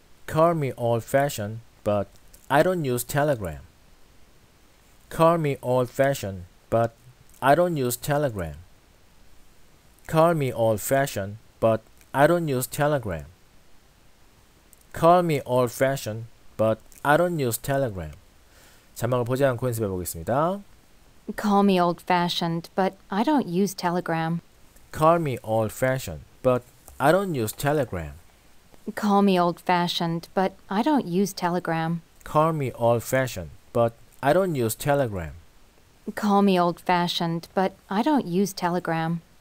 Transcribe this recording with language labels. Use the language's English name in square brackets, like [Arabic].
[English] Call me old-fashioned, but I don't use Telegram. Call me old-fashioned, but I don't use Telegram. Call me old-fashioned, but I don't use Telegram. Call me old-fashioned, but I don't use Telegram. [Korean] 자막을 보지 않고 연습해 보겠습니다. [English] Call me old-fashioned, but I don't use Telegram. Call me old-fashioned, but I don't use Telegram. Call me old-fashioned, but I don't use Telegram. Call me old-fashioned, but I don't use Telegram. Call me old-fashioned, but I don't use Telegram.